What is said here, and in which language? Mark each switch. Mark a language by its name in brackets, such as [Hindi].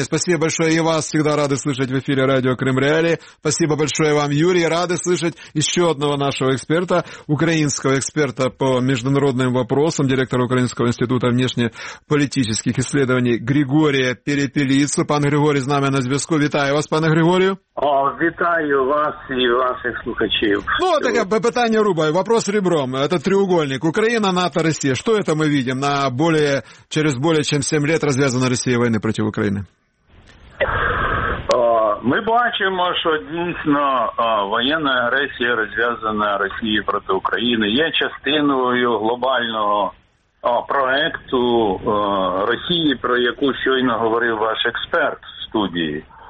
[Russian] Спасибо большое и вас. Всегда рады слышать в эфире радио «Крым Реалии». Спасибо большое вам, Юрий. Рады слышать еще одного нашего эксперта, украинского эксперта по международным вопросам, директора Украинского института внешнеполитических исследований Григория Перепелицу. [Ukrainian] Пан Григорий з нами на зв'язку. Вітаю вас, пане Григорію. Вітаю вас і ваших слухачів. Ну, таке питання рубаю. [Russian] Вопрос ребром. Это треугольник. Украина, НАТО, Россия. Что это мы видим на более, через более чем 7 лет развязанной Россией войны против Украины? [Ukrainian] Ми бачимо, що дійсно воєнна агресія розв'язана Росією проти України є частиною глобального проекту Росії, про яку щойно говорив ваш експерт в студії.